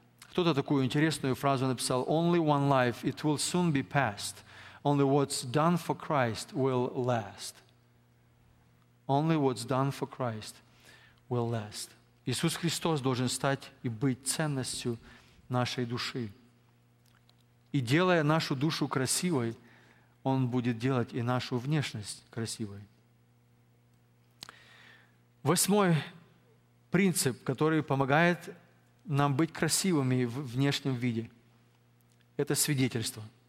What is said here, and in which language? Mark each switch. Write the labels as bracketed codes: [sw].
[ru] Кто-то такую интересную фразу написал. [en] «Only one life, it will soon be past. Only what's done for Christ will last». Only what's done for Christ will last. [ru] Иисус Христос должен стать и быть ценностью нашей души. И делая нашу душу красивой, Он будет делать и нашу внешность красивой. Восьмой принцип, который помогает нам быть красивыми в внешнем виде, это свидетельство.